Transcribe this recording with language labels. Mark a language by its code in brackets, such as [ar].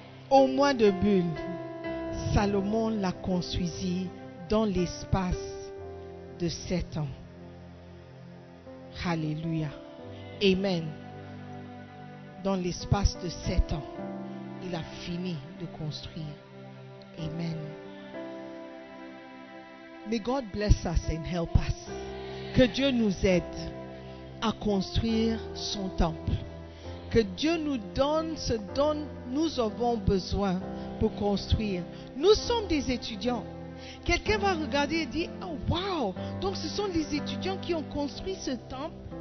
[fr] Au mois de Bul, Salomon la construisit dans l'espace de 7 ans. Alléluia. Amen. Dans l'espace de 7 ans, il a fini de construire. Amen. [en] May God bless us and help us. [fr] Que Dieu nous aide à construire son temple. Que Dieu nous donne ce dont nous avons besoin pour construire. Nous sommes des étudiants. Quelqu'un va regarder et dire, oh wow, donc ce sont des étudiants qui ont construit ce temple.